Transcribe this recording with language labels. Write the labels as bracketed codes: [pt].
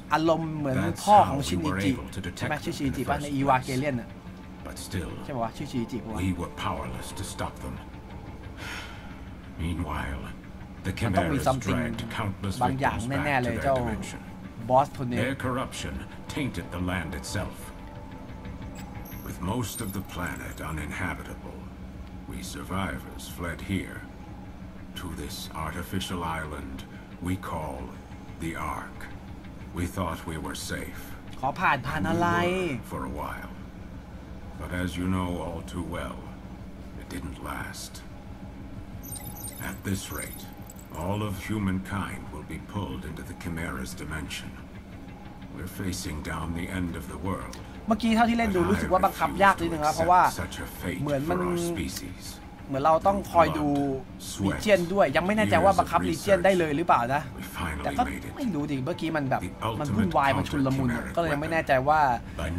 [th] อารมณ์เหมือนพ่อของชินิจิใช่ไหมชินิจิป่ะในอีวาเกเลียนอ่ะ [en] But still [th] ใช่ป่ะชินิจิป่ะ [en] We were powerless to stop them Meanwhile the Chimera's dragged countless victims back to their dimension Boss Tony Their corruption tainted the land itselfWith most of the planet uninhabitable, we survivors fled here, to this artificial island we call the Ark. We thought we were safe. [th] ขอผ่านผ่านอะไร [en] For a while. But as you know all too well, it didn't last. At this rate, all of humankind will be pulled into the Chimera's dimension. We're facing down the end of the world. [th] เมื่อกี้เท่าที่เล่นดูรู้สึกว่าบังคับยากนิดนึงครับเพราะว่าเหมือนมันเหมือนเราต้องคอยดูลีเจียนด้วยยังไม่แน่ใจว่าบังคับลีเจียนได้เลยหรือเปล่านะแต่ก็ไม่รู้ดิเมื่อกี้มันแบบมันวุ่นวายมันชุลมุนก็เลยยังไม่แน่ใจว่าบ